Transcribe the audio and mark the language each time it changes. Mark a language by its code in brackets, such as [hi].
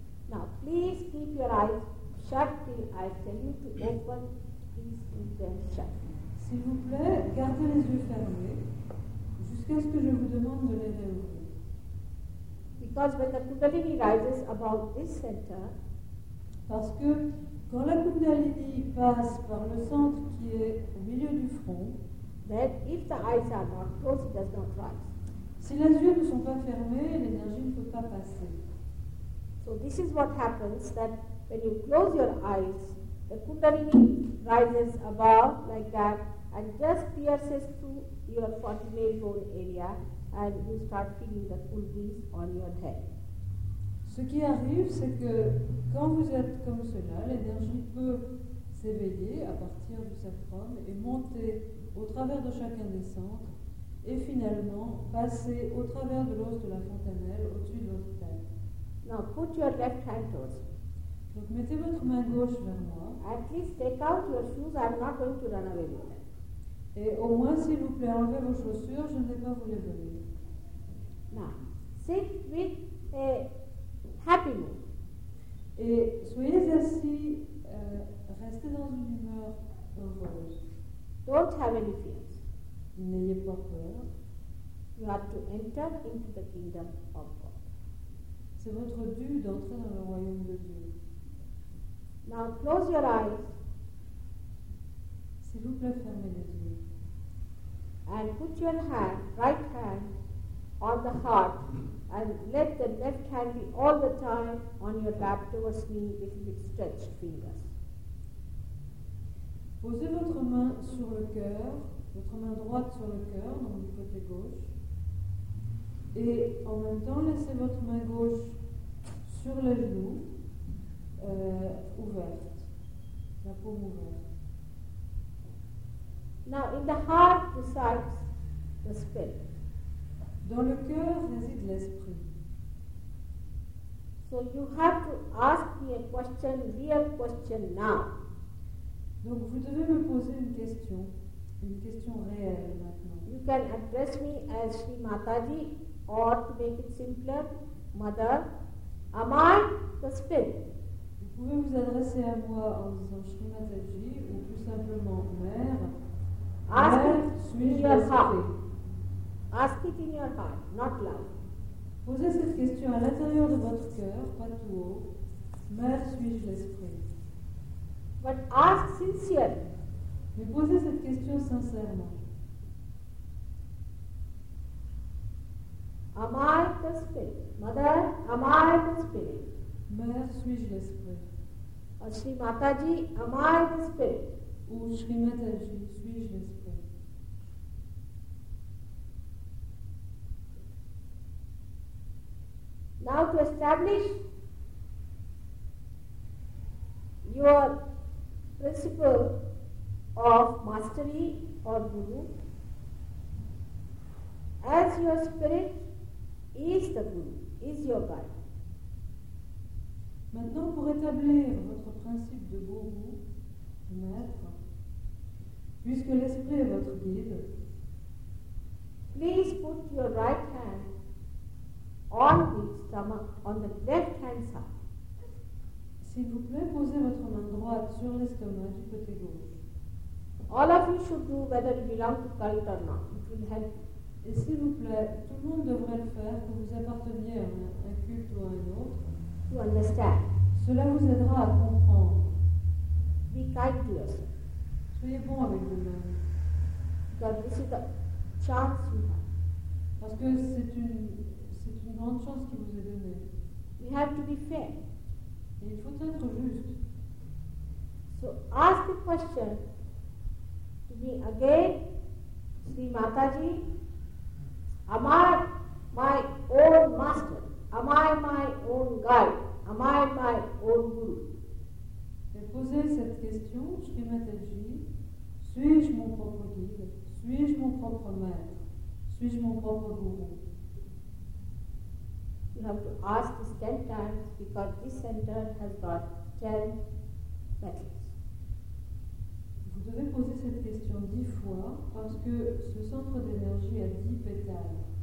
[en] Now, please keep your eyes shut till I tell you to open these intentions shut. [fr] S'il vous plaît, gardez les yeux fermés jusqu'à ce que je vous demande de les réouvrir. [en] Because when the kundalini rises about this center, [fr] parce que quand la kundalini passe par le centre qui est au milieu du front, [en] then if the eyes are not closed, it does not rise. [fr] Si les yeux ne sont pas fermés, l'énergie ne peut pas passer. [en] So this is what happens, that when you close your eyes, the kundalini rises above like that and just pierces through your 49 zone area, and you start feeling the cool breeze on your head. [fr] Ce qui arrive, c'est que quand vous êtes comme cela, l'énergie peut s'éveiller à partir du sacrum et monter au travers de chacun des centres et finalement passer au travers de l'os de la fontanelle au-dessus de votre tête. [en] Now put your left hand towards me. [fr] Donc mettez votre main gauche vers moi. [en] At least take out your shoes, I'm not going to run away with them. [fr] Et au moins, s'il vous plaît, enlevez vos chaussures, je ne vais pas vous les voler. [en] Now, sit with a happy mood. [fr] Et soyez assis, restez dans une humeur heureuse. [en] Don't have any fears. [fr] N'ayez pas peur. [en] You have to enter into the kingdom of God. [fr] C'est votre dû d'entrer dans le royaume de Dieu. [en] Now close your eyes. [fr] S'il vous plaît, fermez les yeux. [en] And put your hand, right hand, on the heart, and let the left hand be all the time on your lap towards me with stretched fingers. [fr] Posez votre main sur le cœur, votre main droite sur le cœur, donc du côté gauche. Et en même temps, laissez votre main gauche sur le genou, ouverte, la paume ouverte. [en] Now, in the heart resides the spirit. [fr] Dans le cœur réside l'esprit. [en] So you have to ask me a question, real question now. [fr] Donc vous devez me poser une question réelle maintenant. [en] You can address me as Shri Mataji, or to make it simpler, Mother, am I the spirit? [fr] Vous pouvez vous adresser à moi en disant Shri Mataji, ou tout simplement Mère. [en] Ask [fr] Mère, [en] it [fr] suis-je [en] in your heart. Ask it in your heart, not loud. [fr] Posez cette question à l'intérieur de votre cœur, pas tout haut. Mère, suis-je l'esprit? [en] But ask sincerely. [fr] Mais posez cette question sincèrement. [en] Am I the spirit? Mother, am I the spirit? [fr] Mère, suis-je l'esprit? [en] Or Shri Mataji, am I the spirit? [fr] Ou Shri Mataji, suis-je l'esprit? [en] Now to establish your principle of mastery or guru, as your spirit is the guru, is your guide. [fr] Maintenant, pour établir votre principe de guru, de maître, puisque l'esprit est votre guide, [en] please put your right hand on the stomach, on the left hand side. [fr] S'il vous plaît, posez votre main droite sur l'estomac du côté gauche. [en] All of you should do whether you belong to cult or not. It will help. [fr] Et s'il vous plaît, tout le monde devrait le faire, que vous apparteniez à un culte ou à un autre. [en] To understand. [fr] Cela vous aidera à comprendre. [en] Be kind to yourself. [fr] Soyez bon avec vous-même. [en] Because this is the chance you have. [fr] Parce que c'est une. Une grande chance qui vous est donnée. [en] We have to be fair. [fr] Et il faut être juste. [en] So ask the question to me again, Sri Mataji. Am I my own master? Am I my own guide? Am I my own guru? [fr] Et posez cette question, Sri Mataji. Suis-je mon propre guide? Suis-je mon propre maître? Suis-je mon propre guru? [en] You have to ask this 10 times because this center has got 10 petals. [fr] Vous devez poser cette question 10 fois parce que ce centre d'énergie a 10 pétales.